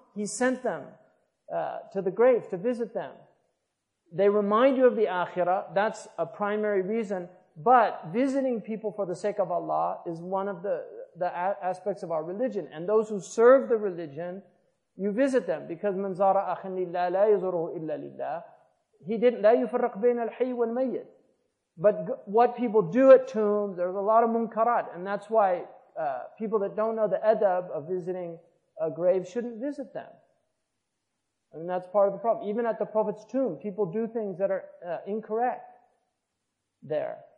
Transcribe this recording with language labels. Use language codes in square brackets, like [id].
[en] He sent them to the grave to visit them. They remind you of the akhirah. That's a primary reason. But visiting people for the sake of Allah is one of the aspects of our religion. And those who serve the religion, you visit them. Because [ar] من زار أخا لله لا يزره إلا لله. [en] He didn't, [ar] لا يفرق بين الحي والميت. [en] But what people do at tombs, there's a lot of munkarat. And that's why people that don't know the adab of visiting a grave shouldn't visit them. And that's part of the problem. Even at the Prophet's tomb, people do things that are incorrect there.